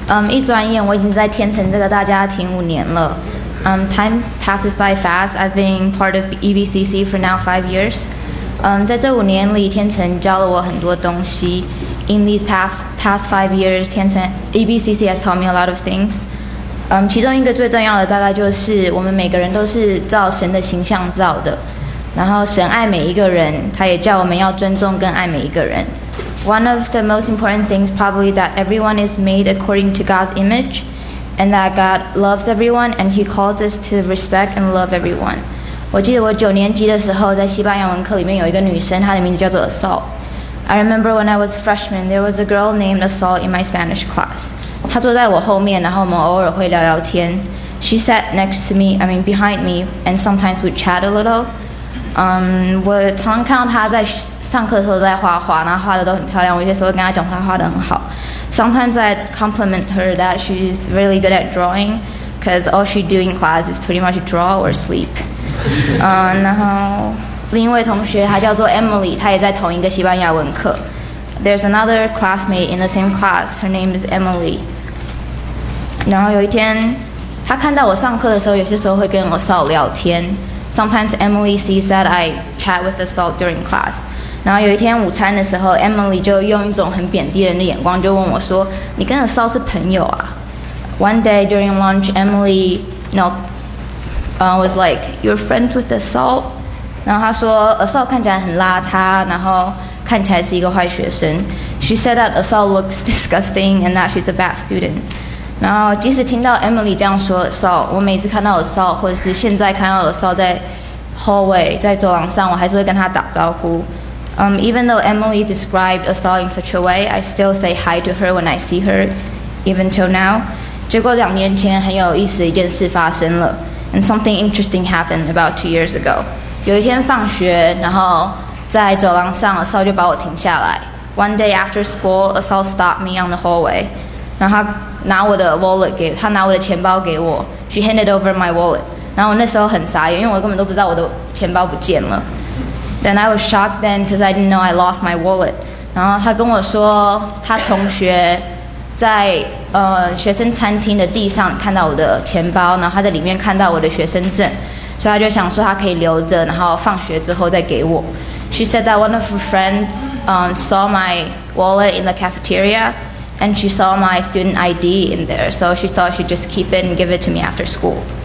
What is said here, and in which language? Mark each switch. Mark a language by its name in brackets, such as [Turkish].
[Chinese] 一转眼我已经在天成这个大家庭五年了。 [English] Time passes by fast. I've been part of EBCC for now 5 years. [Chinese] 在这五年里，天成教了我很多东西。 [English] In these past 5 years, EBCC has taught me a lot of things. [Chinese] 其中一个最重要的大概就是我们每个人都是照神的形象造的。然后神爱每一个人，他也叫我们要尊重跟爱每一个人。 [English] One of the most important things probably that everyone is made according to God's image and that God loves everyone and he calls us to respect and love everyone. [Chinese] 我记得我九年级的时候在西班牙文课里面有一个女生，她的名字叫做 Assault. [English] I remember when I was a freshman, there was a girl named Assault in my Spanish class. [Chinese] 她坐在我后面，然后我们偶尔会聊聊天。 [English] She sat next to me, I mean behind me, and sometimes we'd chat a little. [Chinese] 我常看到她在上课的时候在画画，然后画的都很漂亮。我有些时候跟她讲话画得很好。 [English] Sometimes I compliment her that she's really good at drawing, because all she do in class is pretty much draw or sleep. [Chinese] 然后另一位同学她叫做 Emily， 她也在同一个西班牙文课。 [English] There's another classmate in the same class. Her name is Emily. [Chinese] 然后有一天，她看到我上课的时候，有些时候会跟我少聊天。 [English] Sometimes Emily sees that I chat with Assault during class. [Chinese] 然后有一天午餐的时候 ，Emily 就用一种很贬低人的眼光就问我说：“你跟 Assault 是朋友啊 ？” [English] One day during lunch, Emily, you know, was like, "You're friends with Assault?" [Chinese] 然后她说 ，Assault 看起来很邋遢，然后看起来是一个坏学生。 [English] She said that Assault looks disgusting and that she's a bad student. [Chinese] 然后即使听到 Emily 这样说 Assault， 我每次看到 Assault， 或者是现在看到 Assault 在 hallway， 在走廊上，我还是会跟他打招呼。 [English] Even though Emily described Assault in such a way, I still say hi to her when I see her, even till now. [Chinese] 结果两年前很有意思的一件事发生了 ， [English] and something interesting happened about 2 years ago. [Chinese] 有一天放学，然后在走廊上 ，Assault 就把我停下来。 [English] One day after school, Assault stopped me on the hallway. [Chinese] 然后他拿我的 wallet 给他拿我的钱包给我 ， [English] she handed over my wallet. [Chinese] 然后我那时候很傻眼，因为我根本都不知道我的钱包不见了。 [English] Then I was shocked then because I didn't know I lost my wallet. [Chinese] 然后他跟我说，他同学在学生餐厅的地上看到我的钱包，然后他在里面看到我的学生证，所以他就想说他可以留着，然后放学之后再给我。 [English] She said that one of her friends saw my wallet in the cafeteria, and she saw my student ID in there, so she thought she'd just keep it and give it to me after school.